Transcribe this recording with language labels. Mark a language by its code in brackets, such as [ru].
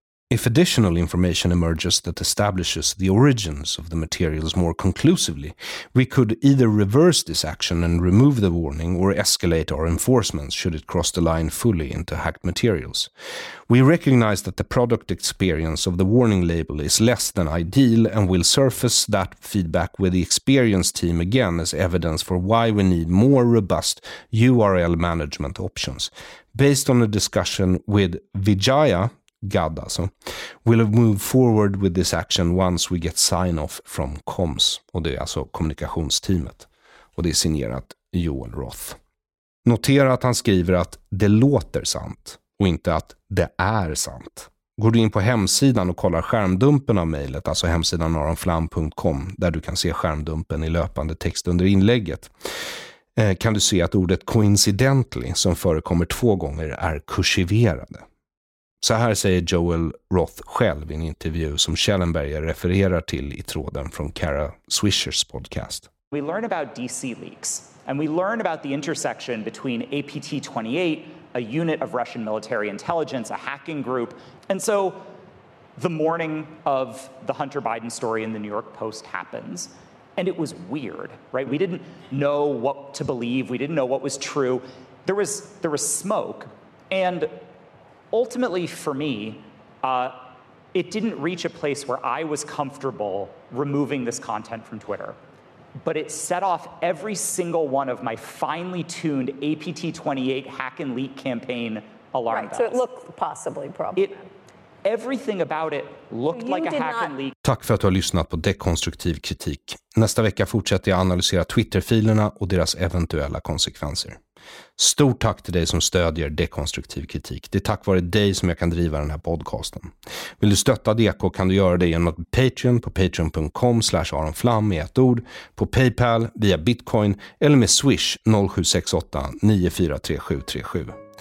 [en] If additional information emerges that establishes the origins of the materials more conclusively, we could either reverse this action and remove the warning or escalate our enforcement should it cross the line fully into hacked materials. We recognize that the product experience of the warning label is less than ideal and will surface that feedback with the experience team again as evidence for why we need more robust URL management options. Based on a discussion with Vijaya Gadda, so we'll have moved forward with this action once we get sign off from comms, [sv] och det är alltså kommunikationsteamet, och det är signerat Joel Roth. Notera att han skriver att det låter sant och inte att det är sant. Går du in på hemsidan och kollar skärmdumpen av mejlet, alltså hemsidan aronflam.com, där du kan se skärmdumpen i löpande text under inlägget, kan du se att ordet coincidentally, som förekommer 2 gånger, är kursiverade. Så här säger Joel Roth själv i en intervju som Schellenberger refererar till i tråden från Kara Swisher's podcast. [en] We learn about DC leaks and we learn about the intersection between APT-28, a unit of Russian military intelligence, a hacking group. And so the morning of the Hunter Biden story in the New York Post happens. And it was weird, right? We didn't know what to believe. We didn't know what was true. There was smoke. And ultimately for me, it didn't reach a place where I was comfortable removing this content from Twitter. But it set off every single one of my finely tuned APT-28 hack and leak campaign alarm right, So it looked possibly problematic. Everything about it looked like a hack and leak. [sv] Tack för att du har lyssnat på dekonstruktiv kritik. Nästa vecka fortsätter jag analysera Twitter-filerna och deras eventuella konsekvenser. Stort tack till dig som stödjer dekonstruktiv kritik. Det är tack vare dig som jag kan driva den här podcasten. Vill du stötta Deko kan du göra det genom att Patreon på patreon.com/aronflam i ett ord, på PayPal, via Bitcoin eller med Swish 0768-943737.